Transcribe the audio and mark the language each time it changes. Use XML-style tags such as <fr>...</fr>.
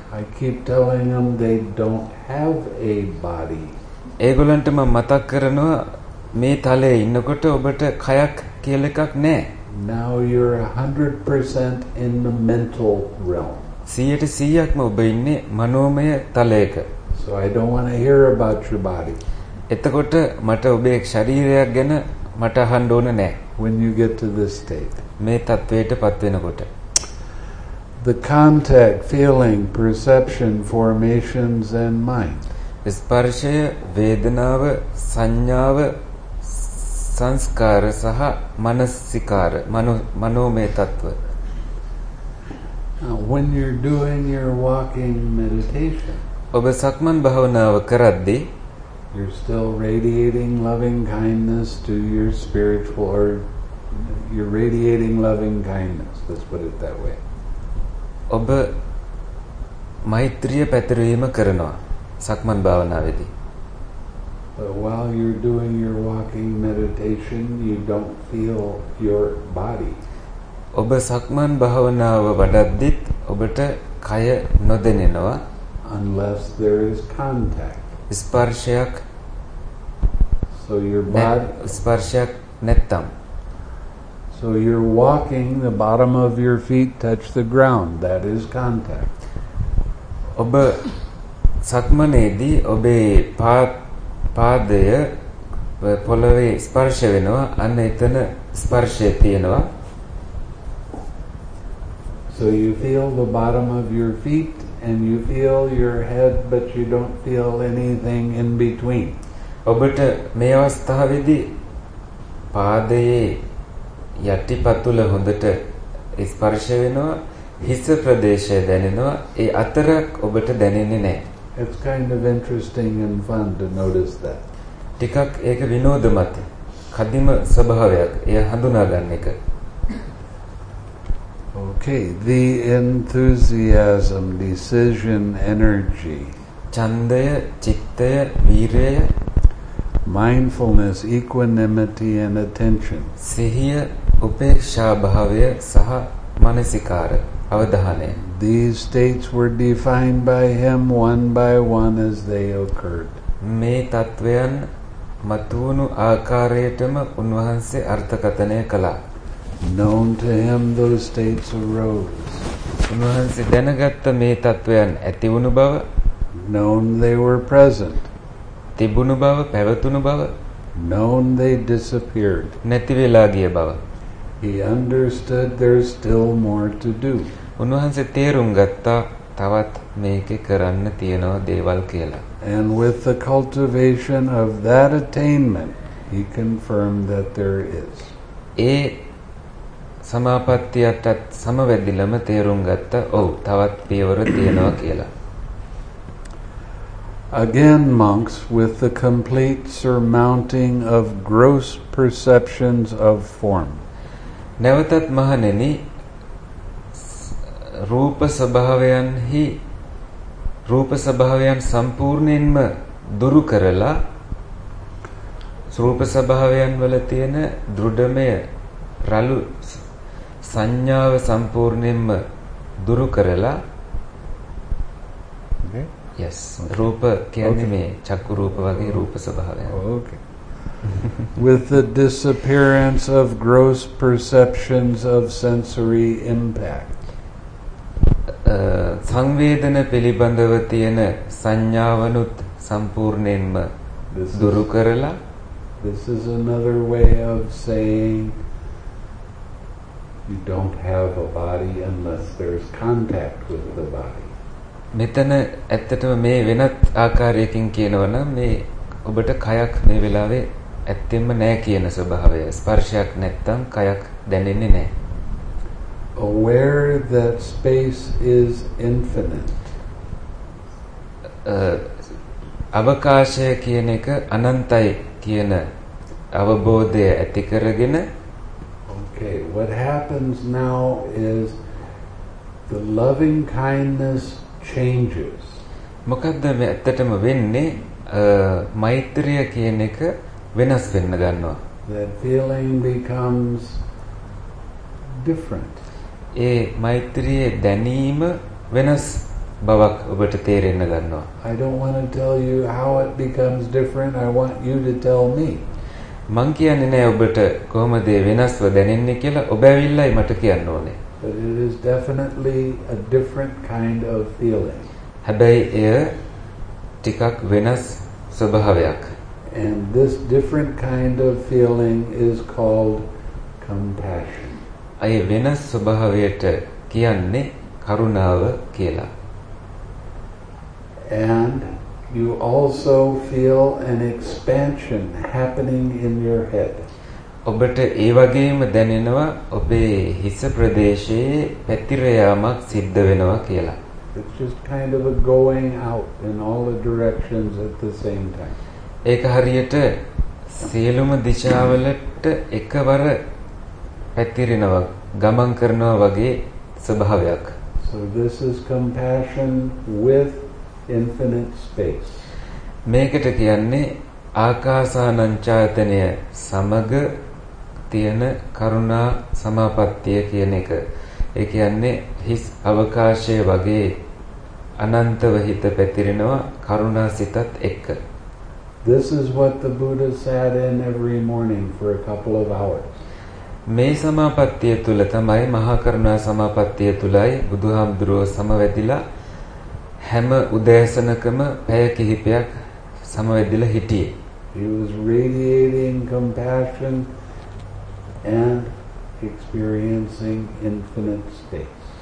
<en>I keep telling them they don't have a body.</en> <si>ඒගොල්ලන්ට මම මතක් කරනවා මේ තලයේ ඉන්නකොට ඔබට කයක් කියලා එකක් නැහැ.</si> <en>Now you're 100% in the mental realm.</en> <si>100%ක්ම ඔබ ඉන්නේ මනෝමය තලයක.</si> <en>So I don't want to hear about your body.</en> <si>එතකොට මට ඔබේ ශරීරයක් ගැන මට අහන්න ඕන නැහැ.</si> <en>When you get to this state.</en> <si>මේ තත්වයටපත් වෙනකොට.</si> <en>The contact, feeling, perception, formations and mind.</en> <si>ස්පර්ශය, වේදනාව, සංඥාව, සංස්කාර සහ මානසිකාර මනෝමය තත්ව.</si> <en>When you're doing your walking meditation.</en> <si>ඔබ සක්මන් භාවනාව කරද්දී</si> <en>you're still radiating loving kindness to your spiritual or you're radiating loving kindness, let's put it that way.</en> <si>ඔබ මෛත්‍රිය පැතිරවීම කරනවා සක්මන් භාවනාවේදී.</si> <en>But while you're doing your walking meditation, you don't feel your body.</en> <si>ඔබ සක්මන් භාවනාව වඩද්දිත් ඔබට කය නොදැනෙනවා</si> <en>unless there is contact.</en> <si>ස්පර්ශයක්.</si> <en>So your body</en> <si>ස්පර්ශයක් නැත්තම්.</si> <en>So you're walking, the bottom of your feet touch the ground. That is contact.</en> <si>ඔබ සක්මනේදී ඔබේ පාදය පොළවේ ස්පර්ශ වෙනවා. අන්න එතන ස්පර්ශය තියෙනවා.</si> <en>So you feel the bottom of your feet and you feel your head but you don't feel anything in between.</en> <si>ඔබට මේ අවස්ථාවේදී පාදයේ යටිපතුල හොඳට ස්පර්ශ වෙනවා, හිස ප්‍රදේශය දැනෙනවා. ඒ අතරක් ඔබට දැනෙන්නේ නැහැ.</si> <en>It's kind of interesting and fun to notice that.</en> <si>ටිකක් ඒක විනෝදමත්. කදිම ස්වභාවයක්. එය හඳුනා ගන්න එක.</si> <en>Okay, the enthusiasm, decision, energy.</en> <si>ඡන්දය, චිත්තය, වීරය.</si> <en>Mindfulness, equanimity and attention.</en> <si>සිහිය, උපේක්ෂා භාවය සහ මානසිකාර අවධානය.</si> <en>These states were defined by him one by one as they occurred.</en> <si>මේ තත්වයන් මතුවුණු ආකාරයටම උන්වහන්සේ අර්ථකථනය කළා.</si> <en>Known to him those states arose.</en> <si>උන්වහන්සේ දැනගත්ත මේ තත්වයන් ඇති වුණු බව.</si> <en>Known they were present.</en> <si>තිබුණු බව, පැවතුණු බව.</si> <en>Known they disappeared.</en> <si>නැති වෙලා ගිය බව.</si> <en>He understood there's still more to do.</en> <si>උන්වහන්සේ තේරුම් ගත්තා තවත් මේකේ කරන්න තියෙනවා දේවල් කියලා.</si> <en>And with the cultivation of that attainment, he confirmed that there is.</en> <si>ඒ සමාපත්තියටත් සමවැදිලම තේරුම් ගත්තා, ඔව් තවත් පියවර තියෙනවා කියලා.</si> <en>Again, monks, with the complete surmounting of gross perceptions of form.</en> <si>නැවතත් මහණෙනි, රූප ස්වභාවයන්හි රූප ස්වභාවයන් සම්පූර්ණයෙන්ම දුරු කරලා රූප ස්වභාවයන් වල තියෙන දෘඩමය රළු සංඥාව සම්පූර්ණයෙන්ම දුරු කරලා yes රූප කියන්නේ මේ චක්කු රූප වගේ රූප ස්වභාවයක්</si> <en>okay with the disappearance of gross perceptions of sensory impact</en> <si>සංවේදන පිළිබඳව තියෙන සංඥාවනුත් සම්පූර්ණයෙන්ම දුරු කරලා</si> <en>this is another way of saying you don't have a body unless there's contact with the body</en> <si>මෙතන ඇත්තටම මේ වෙනත් ආකාරයකින් කියනවා නම් මේ ඔබට කයක් මේ වෙලාවේ ඇත්තෙම නැහැ කියන ස්වභාවය ස්පර්ශයක් නැත්තම් කයක් දැනෙන්නේ නැහැ</si> <en>aware that space is infinite</en> <si>අවකාශය කියන එක අනන්තයි කියන අවබෝධය ඇති කරගෙන</si> <en>okay what happens now is the loving kindness changes</en> <si>මොකද මේ ඇත්තටම වෙන්නේ මෛත්‍රිය කියන එක වෙනස් වෙන්න ගන්නවා</si> <en>that feeling becomes different</en> <si>ඒ මෛත්‍රියේ දැනීම වෙනස් බවක් ඔබට තේරෙන්න ගන්නවා</si> <en>I don't want to tell you how it becomes different I want you to tell me</en> <si>මං කියන්නේ නැහැ ඔබට කොහොමද වෙනස්ව දැනෙන්නේ කියලා ඔබ ඇවිල්ලායි මට කියන්න ඕනේ</si> <en>But it is definitely a different kind of feeling.</en> <si>හැබැයි එය ටිකක් වෙනස් ස්වභාවයක්.</si> <en>And this different kind of feeling is called compassion.</en> <si>අය වෙනස් ස්වභාවයට කියන්නේ කරුණාව කියලා.</si> <en>And you also feel an expansion happening in your head.</en> <si>ඔබට ඒ වගේම දැනෙනවා ඔබේ හිස ප්‍රදේශයේ පැතිර යාමක් සිද්ධ වෙනවා කියලා.</si> <en>It's just kind of a going out in all the directions at the same time.</en> <si>ඒක හරියට සියලුම දිශාවලට එකවර පැතිරෙනවා ගමන් කරනවා වගේ ස්වභාවයක්.</si> <en>So this is compassion with infinite space.</en> <si>මේකට කියන්නේ ආකාසානංචායතනය සමග තියෙන කරුණා සමාපත්තිය කියන එක. ඒ කියන්නේ හිස් අවකාශය වගේ අනන්තව හිත පැතිරෙනවා කරුණා සිතත් එක්ක.</si> <en>This is what the Buddha sat in every morning for a couple of hours.</en> <si>මේ සමාපත්තිය තුල තමයි මහා කරුණා සමාපත්තිය තුලයි බුදුහාමුදුරුව සමවැදිලා හැම උදෑසනකම පැය කිහිපයක් සමවැදිලා හිටියේ.</si> <en>He was radiating compassion and experiencing infinite space.</en>